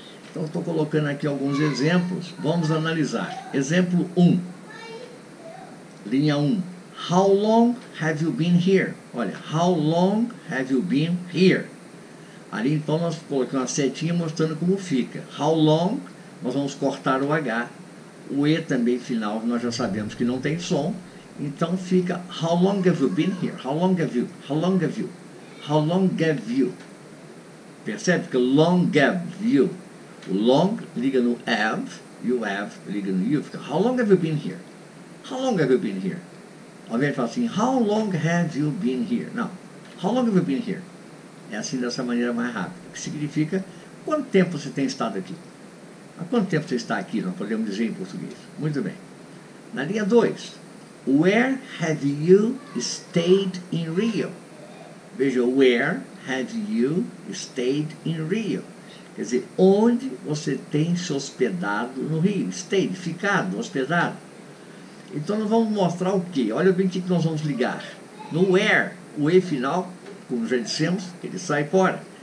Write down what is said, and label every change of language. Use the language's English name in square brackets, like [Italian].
[Portuguese] Então, estou colocando aqui alguns exemplos. Vamos analisar. Exemplo 1. Linha 1. [English] How long have you been here? Olha, how long have you been here? [Portuguese] Ali, então, nós colocamos uma setinha mostrando como fica. [English] How long, [Portuguese] nós vamos cortar o H. O E também final, nós já sabemos que não tem som. Então, fica [English] how long have you been here? How long have you? How long have you? How long have you? [Portuguese] Percebe que [English] long have you? [Portuguese] Long liga no have, e o have liga no you. [English] Fica how long have you been here? How long have you been here? [Portuguese] Alguém fala assim, [English] how long have you been here? Não, how long have you been here? [Portuguese] É assim, dessa maneira mais rápida. O que significa, quanto tempo você tem estado aqui? Há quanto tempo você está aqui? Nós podemos dizer em português. Muito bem. Na linha 2, [English] where have you stayed in Rio? [Portuguese] Veja, [English] where have you stayed in Rio? [Portuguese] Quer dizer, onde você tem se hospedado no Rio? Stayed, ficado, hospedado. Então, nós vamos mostrar o quê? Olha bem o que nós vamos ligar. No where, o E final, como já dissemos, ele sai fora.